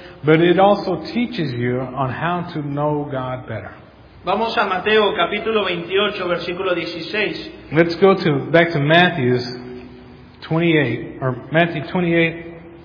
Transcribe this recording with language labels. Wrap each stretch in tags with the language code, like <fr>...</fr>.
<en>But it also teaches you on how to know God better.</en> <es>Vamos a Mateo capítulo 28 versículo 16.</es> <en>Let's go back to Matthew's 28, or Matthew 28,</en>